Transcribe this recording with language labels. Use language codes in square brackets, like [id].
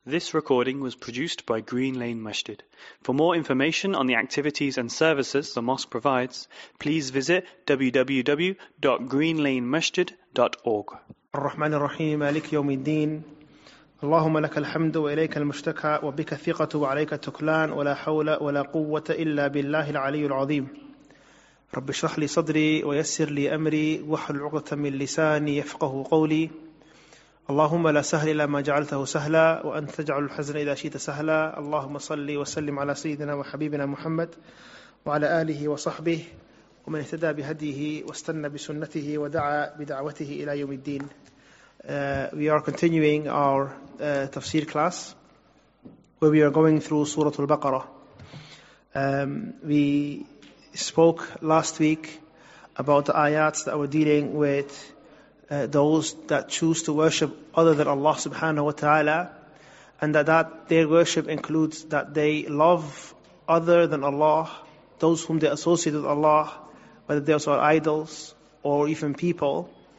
[en] This recording was produced by Green Lane Masjid. For more information on the activities and services the mosque provides, please visit www.greenlanemasjid.org. [ar] الرحمن الرحيم مالك يوم الدين اللهم لك الحمد وإليك المشتكى وبك الثقة وعليك التكلان ولا حول ولا قوة إلا بالله العلي العظيم رب اشرح لي صدري ويسر لي أمري واحلل عقدة من لساني يفقه قولي اللهم لا سهل إلا ما جعلته سهلا وأنت تجعل الحزن إذا شئت سهلا اللهم صلي وسلم على سيدنا وحبيبنا محمد وعلى آله وصحبه ومن اهتدى بهديه واستنى بسنته ودعا بدعوته إلى يوم الدين. [en] We are continuing our tafsir class where we are going through Surah Al-Baqarah. We spoke last week about the ayats that were dealing with those that choose to worship other than Allah subhanahu wa ta'ala, and that their worship includes that they love other than Allah, those whom they associate with Allah, whether those are idols or even people,